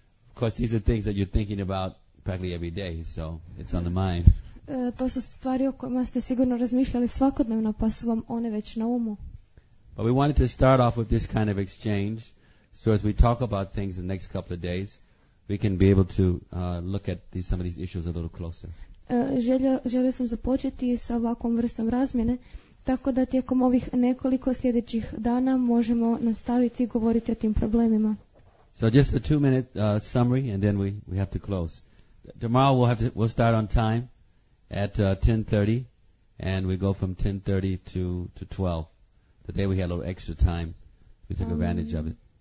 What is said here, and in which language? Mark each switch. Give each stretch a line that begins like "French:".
English: Of course, these are things that you're thinking about practically every day, so it's on the mind.
Croatian: To su stvari o kojima ste sigurno razmišljali svakodnevno, pa su vam one već na umu.
English: But we wanted to start off with this kind of exchange, so as we talk about things the next couple of days, we can be able to look at these, some of these issues a little closer.
Croatian: Želio sam započeti sa ovakvom vrstom razmjene, tako da tijekom ovih nekoliko sljedećih dana možemo nastaviti govoriti o tim problemima.
English: So just a 2 minute summary, and then we have to close. Tomorrow we'll start on time. At 10:30, and we go from 10:30 to 12. Today we had a little extra time. We took advantage of it.